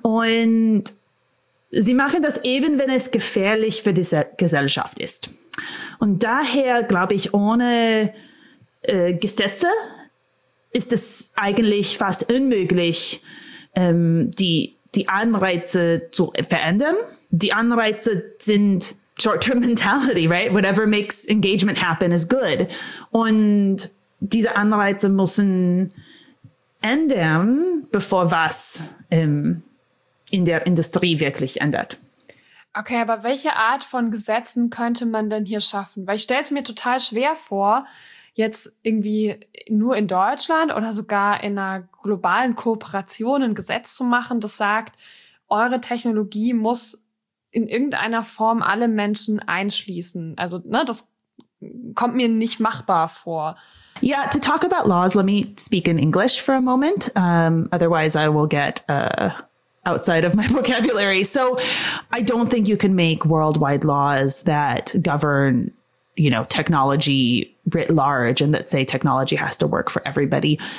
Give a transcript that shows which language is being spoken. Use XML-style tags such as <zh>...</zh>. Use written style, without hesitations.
<de>Und sie machen das eben, wenn es gefährlich für die Gesellschaft ist. Und daher glaube ich, ohne Gesetze ist es eigentlich fast unmöglich, die Anreize zu verändern. Die Anreize sind</de> <en>Short-Term Mentality, right? Whatever makes engagement happen is good.</en> <de>Und diese Anreize müssen ändern, bevor was in der Industrie wirklich ändert. Okay, aber welche Art von Gesetzen könnte man denn hier schaffen? Weil ich stelle es mir total schwer vor, jetzt irgendwie nur in Deutschland oder sogar in einer globalen Kooperation ein Gesetz zu machen, das sagt, eure Technologie muss in irgendeiner Form alle Menschen einschließen. Also, ne, das kommt mir nicht machbar vor.</de> <en>Yeah, to talk about laws, let me speak in English for a moment. Otherwise, I will get outside of my vocabulary. So I don't think you can make worldwide laws that govern, you know, technology writ large and that say technology has to work for everybody.</en>